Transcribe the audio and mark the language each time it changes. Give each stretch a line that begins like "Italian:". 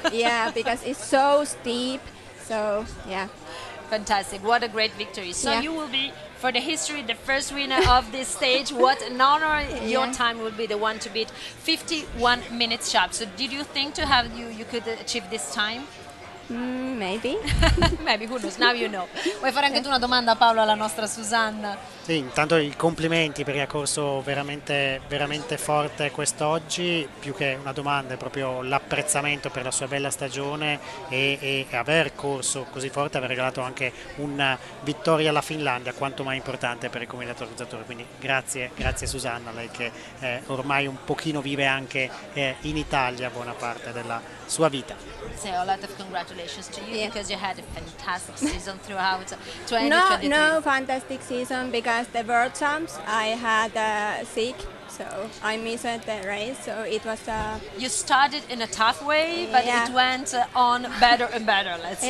English: So, yeah, because it's so steep. So, yeah. Fantastic. What a great victory. So yeah. You will be, for the history, the first winner of this stage. What an honor. Yeah. Your time will be the one to beat. 51 minutes sharp. So did you think to have you could achieve this time? Maybe, who knows, now you know.
Italian: Vuoi fare anche tu una domanda, Paolo, alla nostra Susanna? Sì, intanto i complimenti per il corso veramente, veramente forte quest'oggi. Più che una domanda, è proprio l'apprezzamento per la sua bella stagione e aver corso così forte, aver regalato anche una vittoria alla Finlandia, quanto mai importante per il comitato organizzatore. Quindi grazie Susanna, lei che ormai un pochino vive anche in Italia buona parte della sua vita.
English: So a lot of congratulations to you, yeah, because you had a fantastic season throughout 2023. No fantastic season, because the world champs I had sick, so I missed the race, so it was you started in a tough way, but yeah, it went on better and better, let's say.